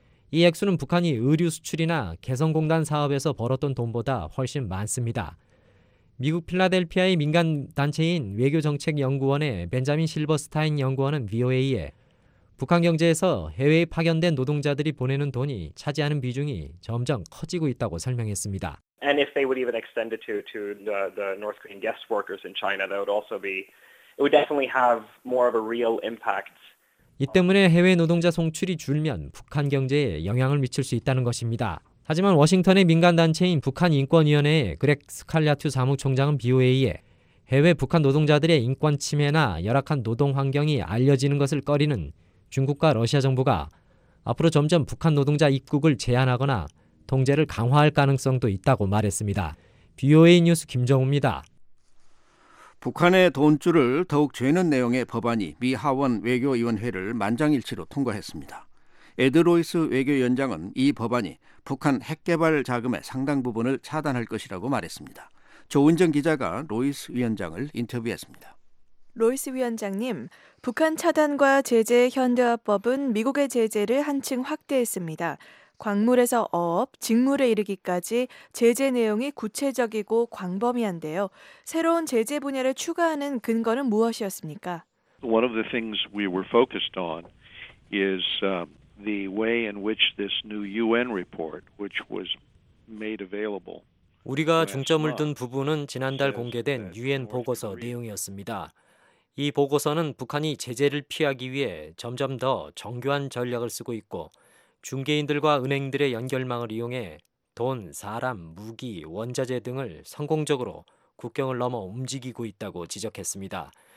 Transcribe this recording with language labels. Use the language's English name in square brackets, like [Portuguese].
[Korean] 이 액수는 북한이 의류 수출이나 개성공단 사업에서 벌었던 돈보다 훨씬 많습니다. 미국 필라델피아의 민간단체인 외교정책연구원의 벤자민 실버스타인 연구원은 VOA에 북한 경제에서 해외에 파견된 노동자들이 보내는 돈이 차지하는 비중이 점점 커지고 있다고 설명했습니다. [English] And if they would even extend it to the North Korean guest workers in China, that would also be, it would definitely have more of a real impact. [Korean] 이 때문에 해외 노동자 송출이 줄면 북한 경제에 영향을 미칠 수 있다는 것입니다. 하지만 워싱턴의 민간단체인 북한인권위원회의 그렉 스칼라투 사무총장은 BOA에 해외 북한 노동자들의 인권 침해나 열악한 노동 환경이 알려지는 것을 꺼리는 중국과 러시아 정부가 앞으로 점점 북한 노동자 입국을 제한하거나 통제를 강화할 가능성도 있다고 말했습니다. BOA 뉴스 김정우입니다. 북한의 돈줄을 더욱 죄는 내용의 법안이 미 하원 외교위원회를 만장일치로 통과했습니다. 에드로이스 외교위원장은 이 법안이 북한 핵개발 자금의 상당 부분을 차단할 것이라고 말했습니다. 조은정 기자가 로이스 위원장을 인터뷰했습니다. 로이스 위원장님, 북한 차단과 제재 현대화법은 미국의 제재를 한층 확대했습니다. 광물에서 어업, 직물에 이르기까지 제재 내용이 구체적이고 광범위한데요. 새로운 제재 분야를 추가하는 근거는 무엇이었습니까? [English] One of the things we were focused on is the way in which this new UN report, which was made available. [Korean] 우리가 중점을 둔 부분은 지난달 공개된 UN 보고서 내용이었습니다. 이 보고서는 북한이 제재를 피하기 위해 점점 더 정교한 전략을 쓰고 있고 중개인들과 은행들의 연결망을 이용해 돈, 사람, 무기, 원자재 등을 성공적으로 국경을 넘어 움직이고 있다고 지적했습니다.